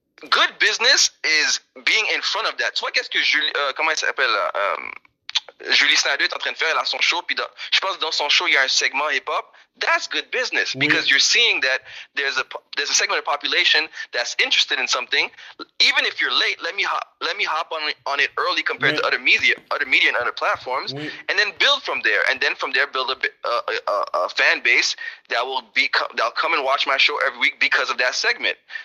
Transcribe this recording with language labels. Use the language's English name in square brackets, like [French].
[English] Good business is being in front of that. [French] Toi, qu'est-ce que Julie, comment elle s'appelle, Julie Snyder est en train de faire, elle a son show, puis dans, je pense que dans son show, il y a un segment hip-hop. [English] That's good business, because you're seeing that there's a segment of population that's interested in something. Even if you're late, let me hop on it early compared to other media and other platforms, and then build from there. And then from there, build a fan base that'll come and watch my show every week because of that segment.